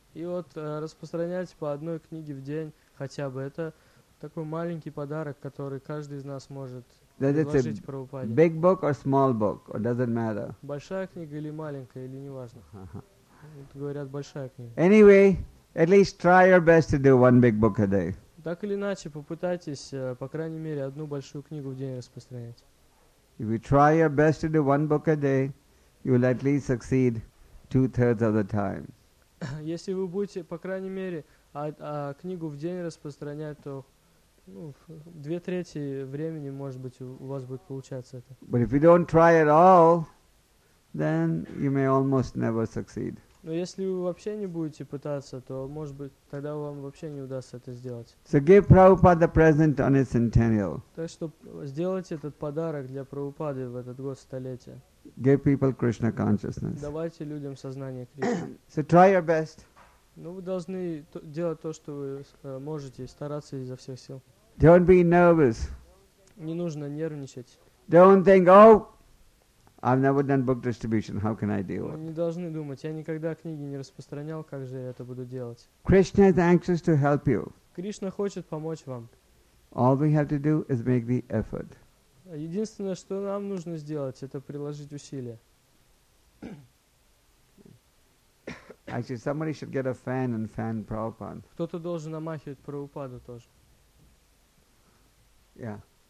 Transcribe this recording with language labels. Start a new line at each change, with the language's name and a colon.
Russian: И вот распространять по одной книге в день хотя бы — это такой маленький подарок, который каждый из нас может предложить Прабхупаде.
English: Big book or small book, or does it matter?
Russian: Большая книга или маленькая, или неважно. Вот говорят, большая книга.
English: Anyway, at least try your best to do one big book a day.
Russian: Так или иначе, попытайтесь, по крайней мере, одну большую книгу в день распространять.
English: If you try your best to do one book a day, you will at least succeed 2/3 of the time.
Russian: Если вы будете, по крайней мере, книгу в день распространять, то две трети времени, может быть, у вас будет получаться это.
English: But if you don't try at all, then you may almost never succeed.
Russian: Но если вы вообще не будете пытаться, то, может быть, тогда вам вообще не удастся это сделать.
English: So give Prabhupada the present on his centennial.
Russian: Так что сделайте этот подарок для Прабхупады в этот год столетия.
English: Give people Krishna consciousness.
Russian: Давайте людям сознание Кришны.
English: So try your best.
Russian: Ну, вы должны делать то, что вы можете, стараться изо всех сил.
English: Don't be nervous.
Russian: Не нужно нервничать.
English: Don't think, oh, I've never done book distribution, how can I do it?
Russian: Не должны думать, я никогда книги не распространял, как же я это буду делать.
English: Krishna is anxious to help you.
Russian: Кришна хочет помочь вам.
English: All we have to do is make the effort.
Russian: Единственное, что нам нужно сделать, это приложить усилия.
English: Actually, somebody should get a fan and fan Prabhupada.
Russian: Кто-то должен намахивать Прабхупаду тоже. Yeah.